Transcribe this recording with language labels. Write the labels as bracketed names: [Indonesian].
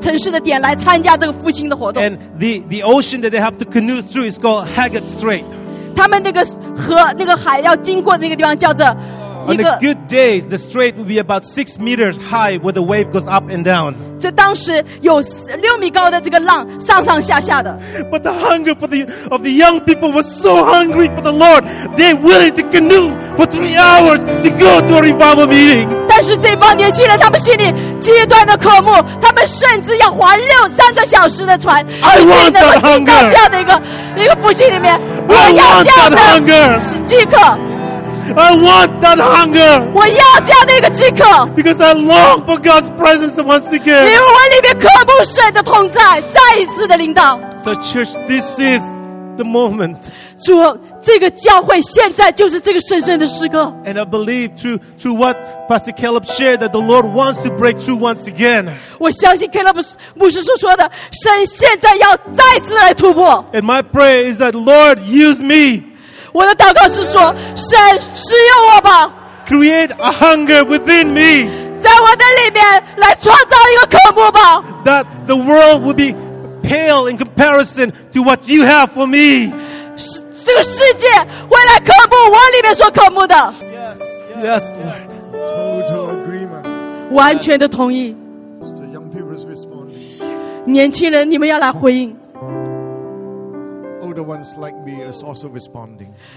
[Chinese] 他们当时的年轻人，他们要那个划那个独木舟3个小时，以至于他们能够到北边这个点，这个城市的点来参加这个复兴的活动。 [English] And the ocean that they have to canoe through is called Haggard Strait. [Chinese] 他们那个河那个海要经过的那个地方叫做一个。 [English] On the good days, the strait would be about 6 meters high, where the wave goes up and down. [Chinese] 所以当时有6米高的这个浪上上下下的。 [English] But the hunger of the young people was so hungry for the Lord, they willing to canoe for 3 hours to go to a revival meeting. [Chinese] 但是这帮年轻人，他们心里极端的渴慕，他们甚至要划6、3个小时的船。 [English] I want that hunger. [Chinese] 到这样的一个复兴里面， [English] I want that hunger. [Chinese] 饥渴。 [English] I want that hunger. [Chinese] 我要这样的一个饥渴。 [English] Because I long for God's presence once again. [Chinese] 因为我里面渴慕神的同在，再一次的领导。 [English] So church, this is the moment. [Chinese] 主，这个教会现在就是这个神圣的时刻。 [English] And I believe through what Pastor Caleb shared that the Lord wants to break through once again. [Chinese] 我相信 Caleb 牧师所说的， 神现在要再次来突破。 [English] And my prayer is that Lord, use me. [Chinese] 我的祷告是说， 神使用我吧。 [English] Create a hunger within me. [Chinese] 在我的里面来创造一个渴慕吧。 [English] That the world will be pale in comparison to what you have for me. [Chinese] 这个世界会来渴慕我里面所渴慕的。 [English] Yes, Lord. Total agreement. [Chinese] 完全的同意。 [English] It's the young people's response. [Chinese] 年轻人，你们要来回应。 [English] Older ones like me is also responding.